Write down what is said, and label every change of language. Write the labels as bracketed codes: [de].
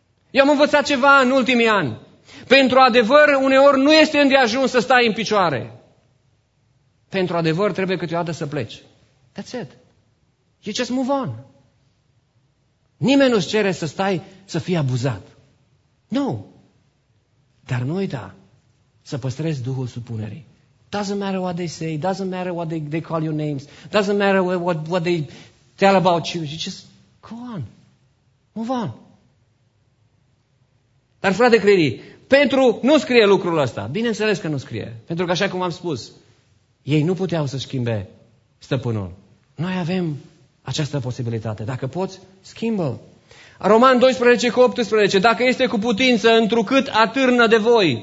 [ro] Eu am învățat ceva în ultimii ani. Pentru adevăr, uneori nu este îndeajuns să stai în picioare. Pentru adevăr, trebuie câteodată să pleci. [en] That's it. You just move on. [ro] Nimeni nu-ți cere să stai să fii abuzat. Nu. Dar nu uita să păstrezi duhul supunerii. [en] Doesn't matter what they say, doesn't matter what they call your names, doesn't matter what they tell about you. You just go on. Move on. [ro] Dar frate Crini, Petru nu scrie lucrul ăsta. Bineînțeles că nu scrie. Pentru că așa cum am spus, ei nu puteau să schimbe stăpânul. Noi avem această posibilitate. Dacă poți, schimbă-l. Roman 12 cu 18. Dacă este cu putință, întrucât atârnă de voi.